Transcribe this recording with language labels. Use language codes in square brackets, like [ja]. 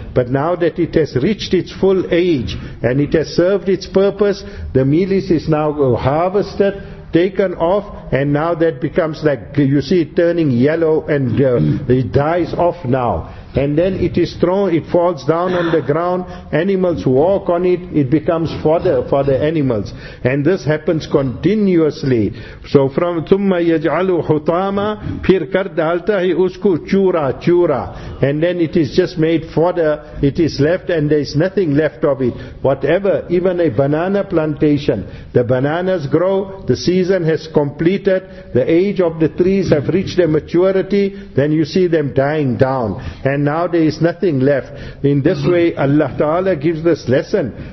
[en] But now that it has reached its full age and it has served its purpose, the mealies is now harvested, taken off, and now that becomes like, you see it turning yellow and it dies off now. And then it is thrown, it falls down on the ground, animals walk on it, it becomes fodder for the animals. And this happens continuously. So from [ar] ثُمَّ يَجْعَلُ حُطَامًا [ur] پھر کر دالتا ہے اس کو چُورَا چُورَا. [en] And then it is just made fodder, it is left and there is nothing left of it. Whatever, even a banana plantation, the bananas grow, the season has completed, the age of the trees have reached their maturity, then you see them dying down. And now there is nothing left. In this way, Allah Ta'ala gives this lesson.